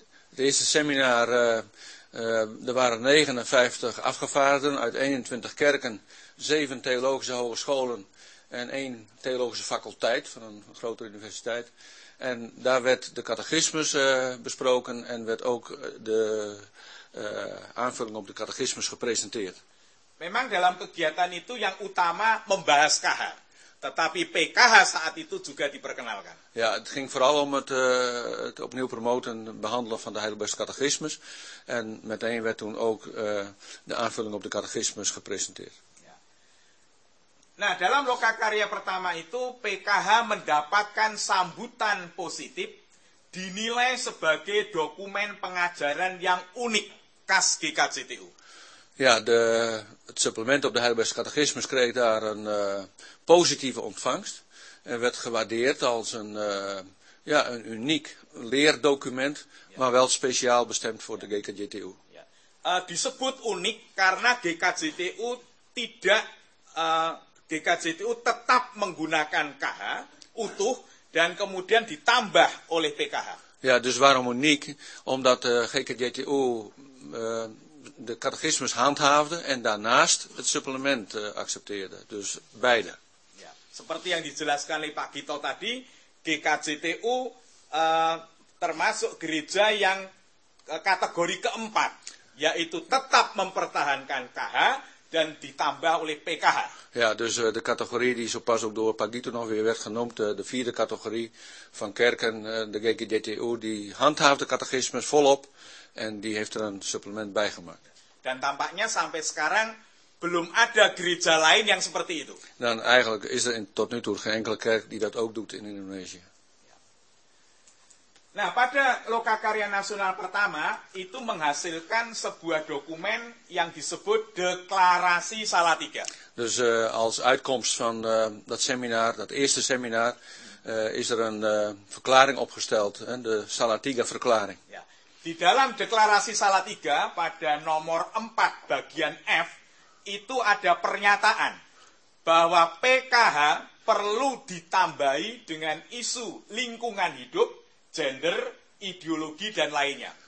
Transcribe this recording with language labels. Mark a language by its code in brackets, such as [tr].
[nl] Het eerste seminar er waren 59 afgevaardigden uit 21 kerken, 7 theologische hogescholen. En 1 theologische faculteit van een grotere universiteit. En daar werd de catechismus besproken en werd ook de aanvulling op de catechismus gepresenteerd. [id] Memang dalam kegiatan itu yang utama membahas KH, tetapi PKH saat itu juga diperkenalkan. [nl] Ja, het ging vooral om het opnieuw promoten en behandelen van de Heidelbergse catechismus. En meteen werd toen ook de aanvulling op de catechismus gepresenteerd. [id] Nah, dalam lokakarya pertama itu PKH mendapatkan sambutan positif, dinilai sebagai dokumen pengajaran yang unik khas GKJTU. [nl] Ja, het supplement op de Heidelbergse Catechismus kreeg daar een positieve ontvangst en werd gewaardeerd als een uniek leerdocument, maar wel speciaal bestemd voor de GKJTU. Ja. [id] Disebut unik karena GKJTU tidak GKJTU tetap menggunakan KH utuh dan kemudian ditambah oleh PKH. [nl] Ya, dus waarom uniek? Omdat GKJTU de catechismus handhaafde en daarnaast het supplement accepteerde. Dus beide. [id] Ya, seperti yang dijelaskan oleh Pak Gito tadi, GKJTU termasuk gereja yang kategori keempat, yaitu tetap mempertahankan KH dan ditambah oleh PKH. [nl] Ja, dus de categorie die zo pas ook door Pak Gito nog weer werd genoemd, de vierde categorie van kerken, de GKJTU, die handhaaft de catechismus volop en die heeft er een supplement bij gemaakt. [id] Dan tampaknya sampai sekarang belum ada gereja lain yang seperti itu. [nl] Dan eigenlijk is er tot nu toe geen enkele kerk die dat ook doet in Indonesië. [id] Nah, pada lokakarya nasional pertama itu menghasilkan sebuah dokumen yang disebut Deklarasi Salatiga. [nl] Dus als uitkomst van dat seminar, dat eerste seminar, is er een verklaring opgesteld, de Salatiga-verklaring. [id] Ya. Di dalam Deklarasi Salatiga pada nomor 4 bagian F itu ada pernyataan bahwa PKH perlu ditambahi dengan isu lingkungan hidup, gender, ideologi, dan lainnya.